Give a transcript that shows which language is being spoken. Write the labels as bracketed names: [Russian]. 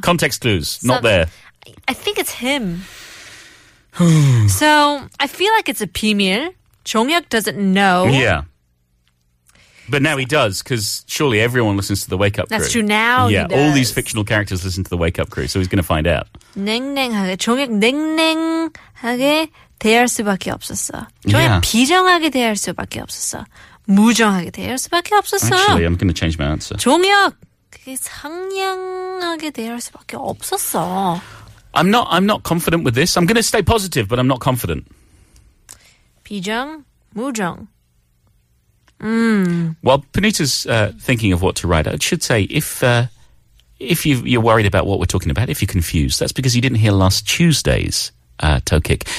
[English] Context clues, not there. I think it's him. So, I feel like it's a pimir. 종혁 doesn't know. Yeah. But now he does, because surely everyone listens to the Wake Up Crew. That's true, now Yeah, he does. All these fictional characters listen to the Wake Up Crew, so he's going to find out. [Korean] 냉랭하게, 종혁 냉랭하게 대할 수밖에 없었어. 종혁 비정하게 대할 수밖에 없었어. 무정하게 대할 수밖에 없었어. [English] Actually, I'm going to change my answer. [Korean] 종혁, 그게 상냥하게 대할 수밖에 없었어. [English] I'm not confident with this. I'm going to stay positive, but I'm not confident. [Korean] 비정, 무정. [English] Well, Panita's thinking of what to write. I should say, if you're worried about what we're talking about, if you're confused, that's because you didn't hear last Tuesday's Tokic.